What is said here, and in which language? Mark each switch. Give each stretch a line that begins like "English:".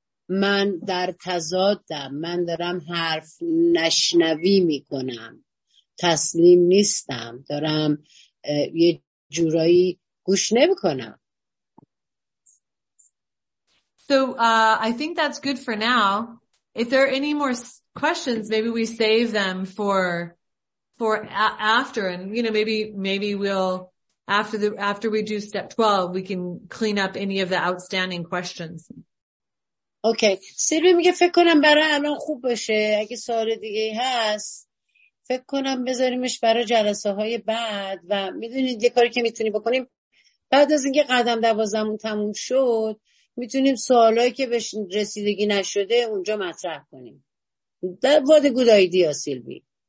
Persian: من در تضادم، من دارم حرف نشنوی میکنم، تسلیم نیستم، دارم یه جورایی گوش نمی‌کنم.
English: So I think that's good for now. If there are any more questions, maybe we save them for for after, and you know, maybe we'll after we do step 12, we can clean up any of the outstanding questions. Okay.
Persian: سیروی میگه فکر کنم برای الان خوب باشه. اگه سوال دیگه هست فکر کنم بذاریمش برای جلسه های بعد و میدونید یه کاری که میتونی بکنیم بعد از اینکه قدم 12مون تموم شد میتونیم سوالایی که بهش رسیدگی نشده اونجا مطرح کنیم.
English: That was a good idea, Sylvie.